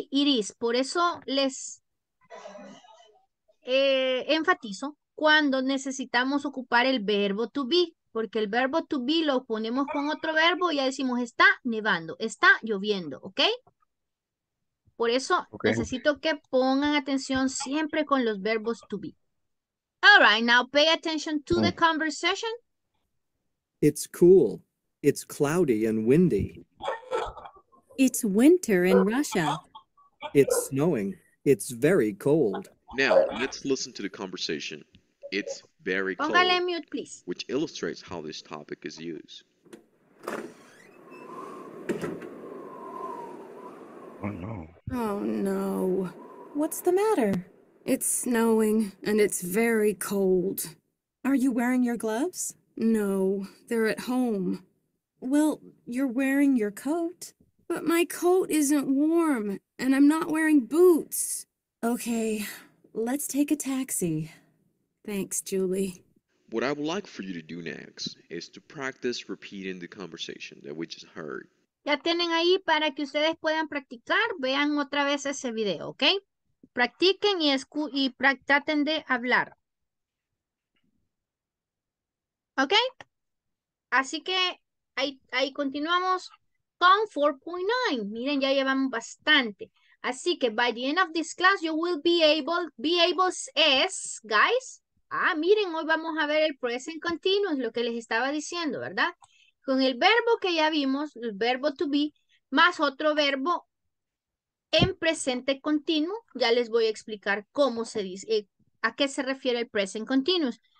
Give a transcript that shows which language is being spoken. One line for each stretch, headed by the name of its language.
Spanish: Iris, por eso les enfatizo cuando necesitamos ocupar el verbo to be, porque el verbo to be lo ponemos con otro verbo y ya decimos está nevando, está lloviendo, ¿ok? Por eso okay. Necesito que pongan atención siempre con los verbos to be.
English: All right, now pay attention to the conversation. It's cool. It's cloudy and windy. It's winter in Russia. It's snowing. It's very cold. Now, let's listen to the conversation. It's very cold.
Spanish: Póngale mute, please.
English: Which illustrates how this topic is used. Oh, no. Oh, no. What's the matter? It's snowing, and it's very cold. Are you wearing your gloves? No, they're at home. Well, you're wearing your coat. But my coat isn't warm, and I'm not wearing boots. Okay, let's take a taxi. Thanks, Julie. What I would like for you to do next is to practice repeating the conversation that we just heard.
Spanish: Ya tienen ahí para que ustedes puedan practicar. Vean otra vez ese video, ¿ok? Practiquen y traten de hablar. ¿Ok? Así que ahí continuamos con 4.9. Miren, ya llevamos bastante. Así que
English: by the end of this class, you will be able as, guys.
Spanish: Ah, miren, hoy vamos a ver el present continuous, lo que les estaba diciendo, ¿verdad? Con el verbo que ya vimos, el verbo to be, más otro verbo en presente continuo. Ya les voy a explicar cómo se dice, a qué se refiere el present continuous.